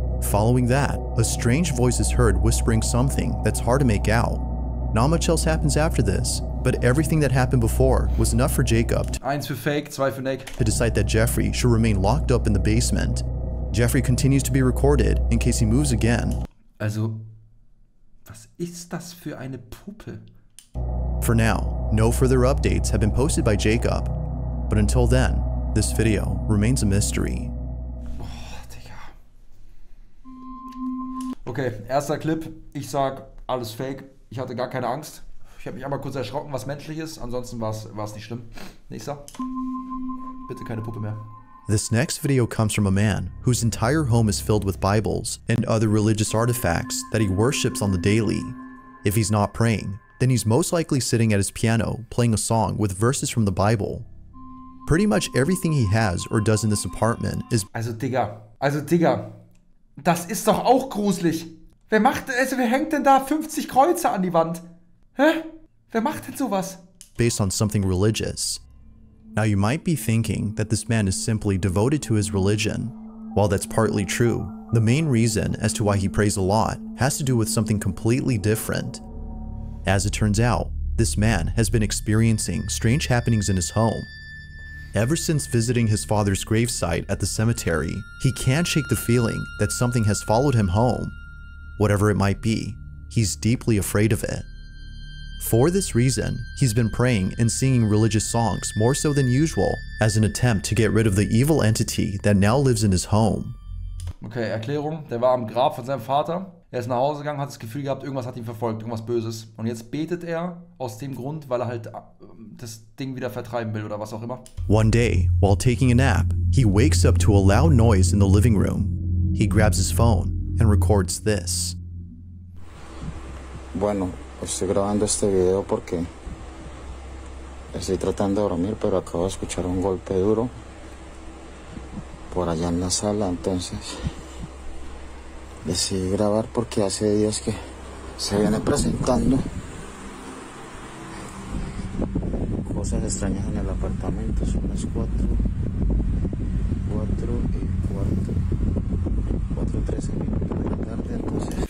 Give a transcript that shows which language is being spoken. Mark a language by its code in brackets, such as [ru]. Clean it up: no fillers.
[en] Following that, a strange voice is heard whispering something that's hard to make out. Not much else happens after this, but everything that happened before was enough for Jacob to decide that Jeffrey should remain locked up in the basement. Jeffrey continues to be recorded in case he moves again. [de] Also, was ist das für eine Puppe? [en] For now, no further updates have been posted by Jacob. But until then, this video remains a mystery. [de] Oh, Digga. Okay, erster Clip. Ich sag, alles fake. Ich hatte gar keine Angst. Ich habe mich einmal kurz erschrocken, was menschlich ist. Ansonsten war es nicht schlimm. Nächster. Bitte keine Puppe mehr. [en] This next video comes from a man whose entire home is filled with Bibles and other religious artifacts that he worships on the daily. If he's not praying, then he's most likely sitting at his piano playing a song with verses from the Bible. Pretty much everything he has or does in this apartment is [de] Also Digga, das ist doch auch gruselig. Wer macht, also wer hängt denn da 50 Kreuze an die Wand? Hä? Wer macht denn sowas? [en] Based on something religious. Now you might be thinking that this man is simply devoted to his religion. While that's partly true, the main reason as to why he prays a lot has to do with something completely different. As it turns out, this man has been experiencing strange happenings in his home. Ever since visiting his father's gravesite at the cemetery, he can't shake the feeling that something has followed him home. Whatever it might be, he's deeply afraid of it. For this reason, he's been praying and singing religious songs more so than usual as an attempt to get rid of the evil entity that now lives in his home. [de] Okay, Erklärung. Der war am Grab von seinem Vater. Er ist nach Hause gegangen, hat das Gefühl gehabt, irgendwas hat ihn verfolgt, irgendwas Böses. Und jetzt betet er aus dem Grund, weil er halt das Ding wieder vertreiben will oder was auch immer. [en] One day, while taking a nap, he wakes up to a loud noise in the living room. He grabs his phone and records this. [es] Bueno. Estoy grabando este video porque estoy tratando de dormir, pero acabo de escuchar un golpe duro por allá en la sala, entonces decidí grabar porque hace días que se viene presentando cosas extrañas en el apartamento, son las 4:13 de la tarde, entonces